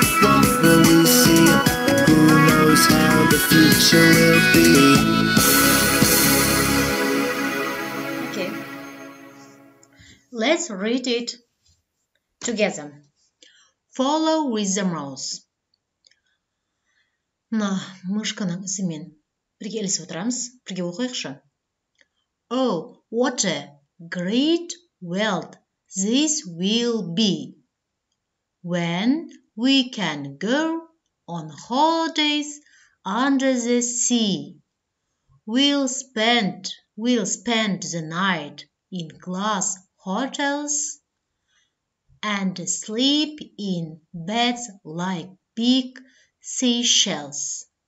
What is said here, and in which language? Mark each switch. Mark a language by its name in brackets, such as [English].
[English] What will we see? Who knows how the future will be? Okay, let's read it together. Follow with the mouse. [Kazakh] На мышканың ізімен бірге ілесіп отырамыз, бірге оқиықшы. [English] Oh, what a great world this will be when we can go on holidays under the sea. We'll spend the night in glass hotels and sleep in beds like big seashells.